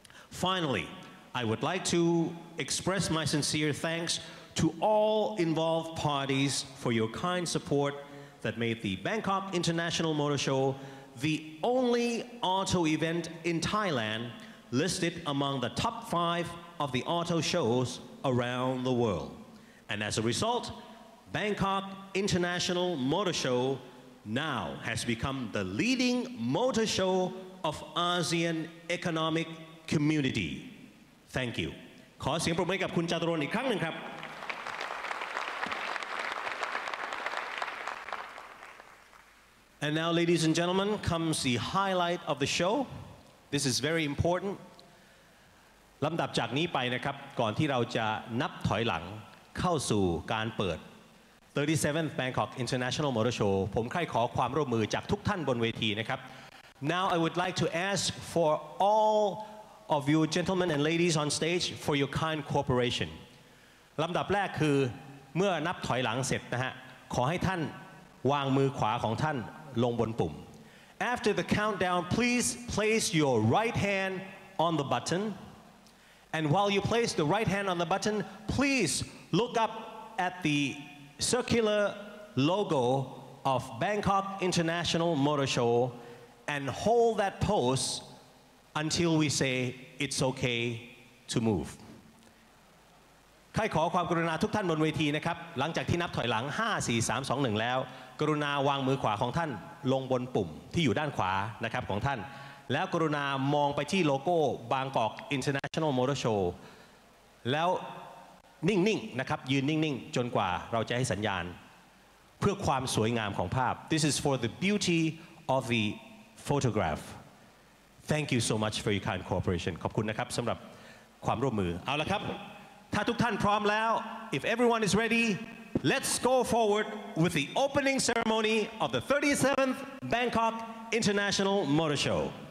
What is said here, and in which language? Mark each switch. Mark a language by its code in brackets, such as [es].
[en] Finally, I would like to express my sincere thanks to all involved parties for your kind support that made the Bangkok International Motor Show the only auto event in Thailand listed among the top five of the auto shows around the world. And as a result, Bangkok International Motor Show now has become the leading motor show of ASEAN Economic Community. Thank you. [th] ขอเสียงปรบมือกับคุณจตุรนต์อีกครั้งหนึ่งครับ [en] And now, ladies and gentlemen, comes the highlight of the show. This is very important. [th] ลำดับจากนี้ไปนะครับก่อนที่เราจะนับถอยหลังเข้าสู่การเปิด 37th Bangkok International Motor Show, ผมใครขอความร่วมมือจากทุกท่านบนเวทีนะครับ [en] Now, I would like to ask for all of you gentlemen and ladies on stage for your kind cooperation. [th] ลำดับแรกคือเมื่อนับถอยหลังเสร็จนะฮะขอให้ท่านวางมือขวาของท่านลงบนปุ่ม [en] After the countdown, please place your right hand on the button. And while you place the right hand on the button, please look up at the circular logo of Bangkok International Motor Show and hold that pose until we say it's okay to move. [th] ใครขอความกรุณาทุกท่านบนเวทีนะครับหลังจากที่นับถอยหลัง5 4 3 2 1แล้วกรุณาวางมือขวาของท่านลงบนปุ่มที่อยู่ด้านขวานะครับของท่านแล้วกรุณามองไปที่โลโก้บางกอก International Motor Show แล้วนิ่งๆ นะครับยืนนิ่งๆจนกว่าเราจะให้สัญญาณเพื่อความสวยงามของภาพ [en] This is for the beauty of the photograph Thank you so much for your kind cooperation [th] ขอบคุณนะครับสำหรับความร่วมมือเอาละครับถ้าทุกท่านพร้อมแล้ว [en] If everyone is readyLet's go forward with the opening ceremony of the 37th Bangkok International Motor Show.